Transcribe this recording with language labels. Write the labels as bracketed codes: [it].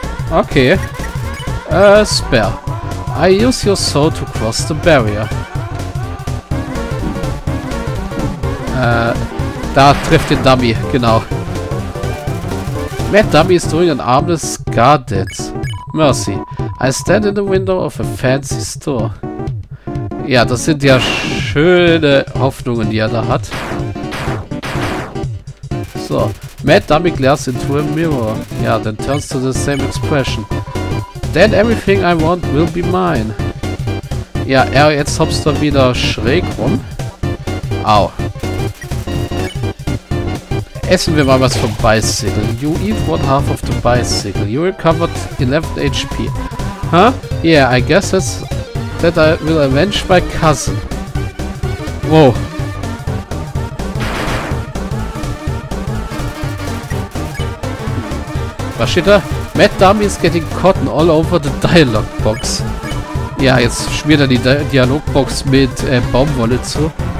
[en] Okay. Spell. I use your soul to cross the barrier. [de] Da trifft den Dummy, genau. [en] Mad Dummy is doing an armless guard dance. Mercy. I stand in the window of a fancy store. [de] Ja, das sind ja schöne Hoffnungen, die er da hat. [en] So, Mad Dummy glares into a mirror. Ja, then turns to the same expression. Then everything I want will be mine. Ja, [de] jetzt hoppst du wieder schräg rum. Au. Essen wir mal was vom Bicycle. [en] You eat one half of the bicycle. You recovered 11 HP. Huh? Yeah, I guess that's... That I will avenge my cousin. Wow. [de] Was steht da? [en] Mad Dummy is getting cotton all over the dialogue box. [de] Ja, jetzt schmiert er die Dialogbox mit Baumwolle zu.